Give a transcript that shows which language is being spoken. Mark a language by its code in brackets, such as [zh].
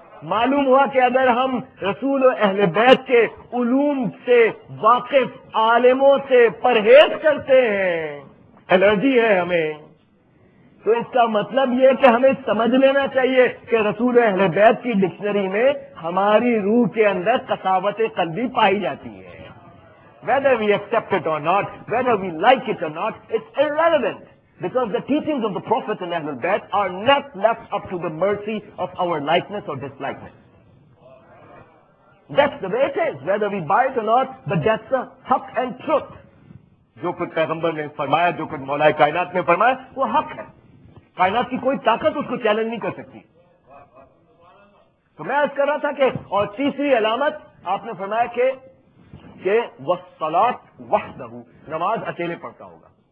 [ur] معلوم ہوا کہ اگر ہم رسول و اہل بیت کے علوم سے واقف عالموں سے پرہیز کرتے ہیں, الرجی ہے ہمیں, تو اس کا مطلب یہ کہ ہمیں سمجھ لینا چاہیے کہ رسول و اہل بیت کی ڈکشنری میں ہماری روح کے اندر قساوت قلبی پائی جاتی ہے. [en] Whether we accept it or not, whether we like it or not, it's irrelevant. Because the teachings of the Prophet and Ahlul Bayt are not left up to the mercy of our likeness or dislikeness. That's the way it is, whether we buy it or not, but that's the haq and truth. [ur] جو کچھ پیغمبر نے فرمایا, جو کچھ مولا کائنات نے فرمایا, وہ حق ہے. کائنات کی کوئی طاقت اس کو چیلنج نہیں کر سکتی. تو میں عرض کر رہا تھا کہ, اور تیسری علامت آپ نے فرمایا کہ والصلاۃ وحدہ, نماز اکیلے پڑھتا ہوگا.